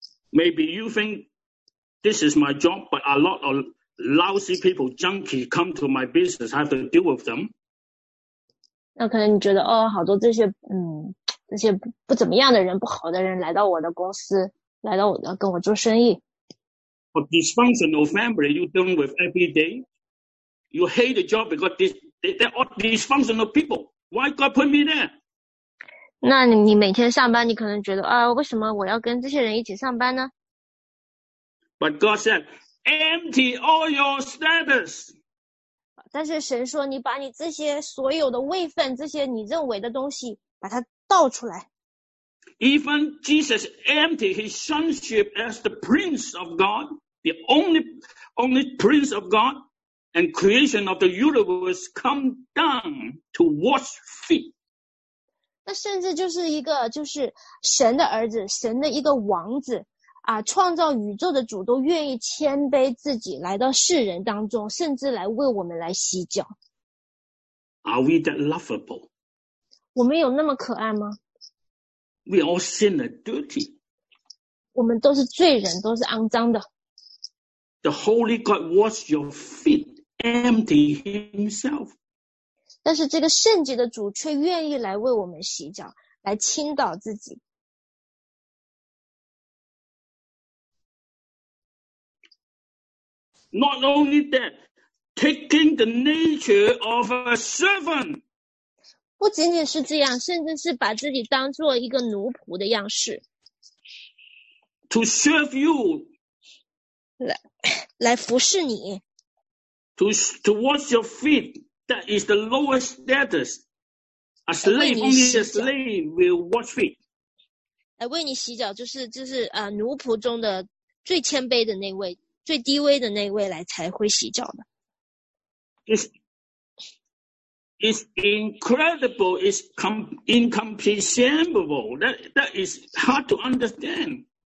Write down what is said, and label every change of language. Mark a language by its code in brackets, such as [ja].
[en] Maybe you think this is my job, but a lot of lousy people, junkies come to my business, I have to deal with them. [zh] 那可能你觉得哦，好多这些这些不怎么样的人、不好的人来到我的公司，来到我的跟我做生意。 [en] But dysfunctional family you deal with every day, you hate the job because they are dysfunctional people. Why God put me there? [zh] 那你每天上班，你可能觉得啊，为什么我要跟这些人一起上班呢？ [en] But God said, empty all your status. [zh] 但是神说你把你这些所有的位分，这些你认为的东西把它倒出来。 [en] Even Jesus emptied his sonship as the prince of God, the only prince of God and creation of the universe come down to wash feet. [zh] 那甚至就是一个就是神的儿子，神的一个王子啊，创造宇宙的主都愿意谦卑自己来到世人当中，甚至来为我们来洗脚。 [en] Are we that lovable? [zh] 我们有那么可爱吗？ [en] We all sin and dirty. [zh] 我们都是罪人，都是肮脏的。 [en] The Holy God washed your feet, empty himself. [zh] 但是这个圣洁的主却愿意来为我们洗脚，来倾倒自己。 [en] Not only that, taking the nature of a servant. [zh] 不仅仅是这样，甚至是把自己当做一个奴仆的样式。 [en] To serve you. [zh] 来服侍你。 [en] To wash your feet, that is the lowest status. A slave, only a slave will wash feet. [zh] 来为你洗脚，就是奴仆中的最谦卑的那位。最低微的那位来才会洗脚的。 [en] It's incredible. It's incomprehensible. That is hard to understand.